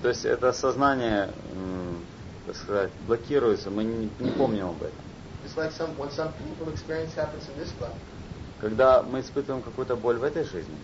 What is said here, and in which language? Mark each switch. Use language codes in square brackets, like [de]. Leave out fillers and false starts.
[ru] То есть это сознание, так сказать, блокируется, мы не помним об этом. [en] It's like when some painful experience happens in this life. [ru] Когда мы испытываем какую-то боль в этой жизни.